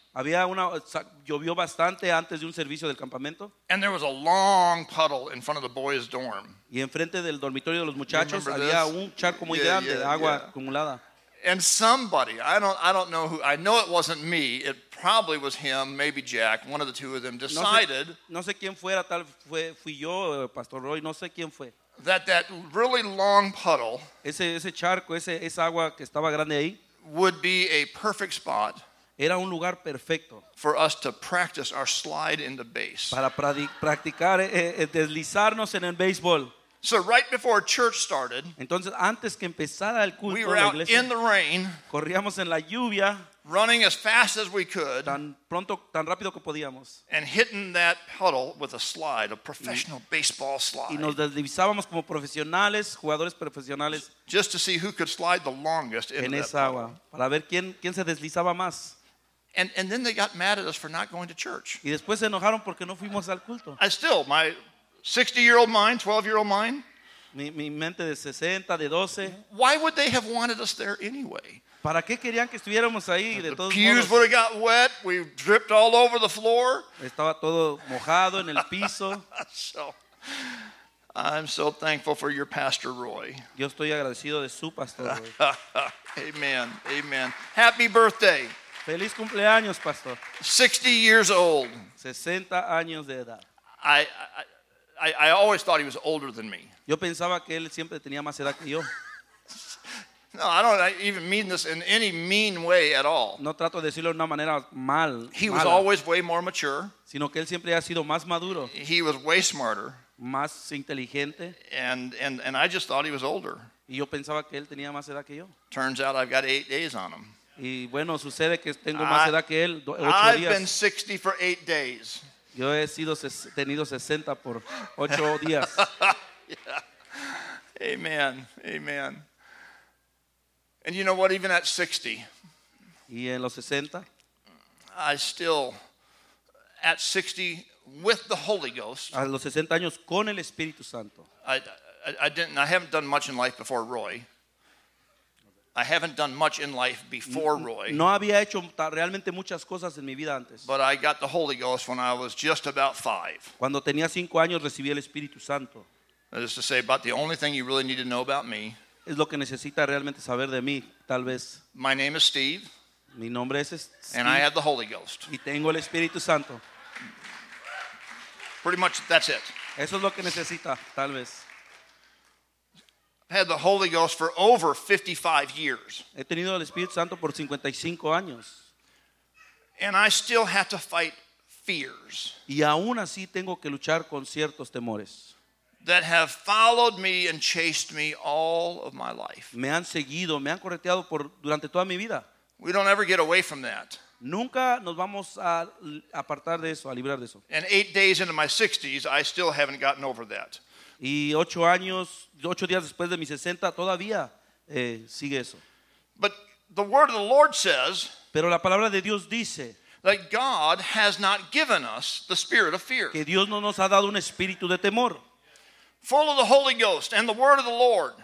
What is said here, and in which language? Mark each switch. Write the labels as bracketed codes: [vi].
[es] Había una llovió bastante antes de un servicio del campamento. [en] And there was a long puddle in front of the boys' dorm. [es] Y enfrente del dormitorio de los muchachos había un charco muy grande de agua acumulada. [en] And somebody, I don't know who, I know it wasn't me. It probably was him, maybe Jack, one of the two of them decided. [es] No sé quién fuera, tal fui yo, Pastor Roy, no sé quién fue. [en] That really long puddle. [es] Ese charco, esa agua que estaba grande ahí. [en] Would be a perfect spot. [es] Era un lugar perfecto. [en] For us to practice our slide in the base. [es] Para practicar deslizarnos en el béisbol. [en] So right before church started, [es] entonces antes que empezara el culto, [en] we were out in the rain, [es] corríamos en la lluvia, [en] running as fast as we could, [es] tan rápido que podíamos, [en] and hitting that puddle with a slide, a professional baseball slide. [es] Y nos deslizábamos como profesionales, jugadores profesionales, [en] just to see who could slide the longest [es] en esa agua, para ver quién se deslizaba más. [en] And then they got mad at us for not going to church. [es] Y después se enojaron porque no fuimos al culto. [en] I still my 60-year-old mind, 12-year-old mind. [es] Mi mente de 60, de 12. [en] Why would they have wanted us there anyway? [es] ¿Para qué querían que estuviéramos ahí? De todos modos. [en] The pews would have got wet. We dripped all over the floor. [es] Estaba todo mojado en el piso. [en] So, I'm so thankful for your Pastor Roy. [es] Yo estoy agradecido de su Pastor Roy. [en] Amen, amen. Happy birthday. [es] Feliz cumpleaños, Pastor. [en] 60 years old. [es] 60 años de edad. [en] I always thought he was older than me. [es] Yo pensaba que él siempre tenía más edad que yo. [en] No, I don't even mean this in any mean way at all. [es] No trato de decirlo de una manera mal. [en] He was always way more mature. [es] Sino que él siempre ha sido más maduro. [en] He was way smarter. [es] Más inteligente. [en] And I just thought he was older. [es] Y yo pensaba que él tenía más edad que yo. [en] Turns out I've got 8 days on him. [es] Y bueno, sucede que tengo más edad que él. [en] I've been 60 for 8 days. [es] Yo he tenido 60 por 8 días. [en] Yeah. Amen. Amen. And you know what, even at 60. [es] Y en los 60, [en] I still at 60 with the Holy Ghost. [es] A los 60 años con el Espíritu Santo. [en] I haven't done much in life before Roy. [es] No había hecho realmente muchas cosas en mi vida antes. [en] But I got the Holy Ghost when I was just about 5. [es] Cuando tenía 5 años recibí el Espíritu Santo. [en] That is to say, about the only thing you really need to know about me. [es] Es lo que necesita realmente saber de mí, tal vez. [en] My name is Steve. [es] Mi nombre es Steve. [en] And I have the Holy Ghost. [es] Y tengo el Espíritu Santo. [en] Pretty much, that's it. [es] Eso es lo que necesita, tal vez. [en] Had the Holy Ghost for over 55 years. [es] He tenido el Espíritu Santo por 55 años. [en] And I still have to fight fears. [es] Y aún así tengo que luchar con ciertos temores. [en] That have followed me and chased me all of my life. [es] Me han seguido, me han correteado por durante toda mi vida. [en] We don't ever get away from that. [es] Nunca nos vamos a apartar de eso, a librar de eso. [en] And 8 days into my 60s, I still haven't gotten over that. [es] Y 8 días después de mis 60 todavía sigue eso. [en] But the word of the Lord says, [es] pero la palabra de Dios dice, [en] that God has not given us the spirit of fear. [es] Que Dios no nos ha dado un espíritu de temor. [en] Full of the Holy Ghost and the word of the Lord.